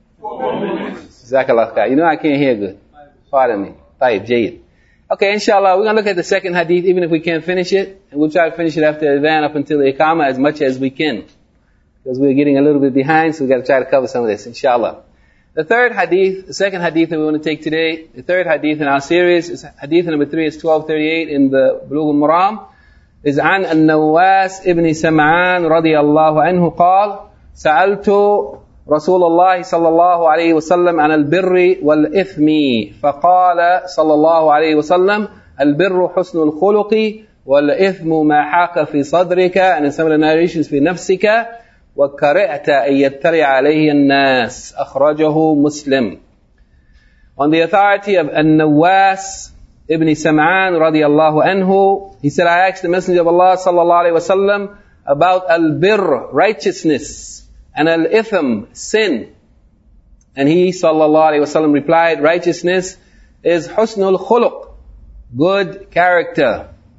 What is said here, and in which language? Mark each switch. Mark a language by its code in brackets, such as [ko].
[en] 4 minutes. Jazakallah khair. You know I can't hear good. Pardon me. Tayyib, jayyid. Okay, inshallah, we're going to look at the second hadith, even if we can't finish it. And we'll try to finish it after the adhan up until the iqamah as much as we can. Because we're getting a little bit behind, so we've got to try to cover some of this, inshallah. The third hadith, the second hadith that we want to take today, the third hadith in our series, is hadith number 3, is 1238 in the Bulugh al-Maram, is [ar] عن النواس ابن سمعان رضي الله عنه قال سألت رسول الله صلى الله عليه وسلم عن البر والإثم فقال صلى الله عليه وسلم البر حسن الخلق والإثم ما حاك في صدرك [en] and similar narrations [ar] في نفسك وكرعت أن يتلع عليه الناس أخرجه مسلم. [en] On the authority of النواس ابن سمعان [ar] رضي الله عنه, [en] he said, I asked the Messenger of Allah [ar] صلى الله عليه وسلم [en] about البر, righteousness, and al-ithm, sin. And he, sallallahu alayhi wa sallam, replied, righteousness is husnul khuluq, good character.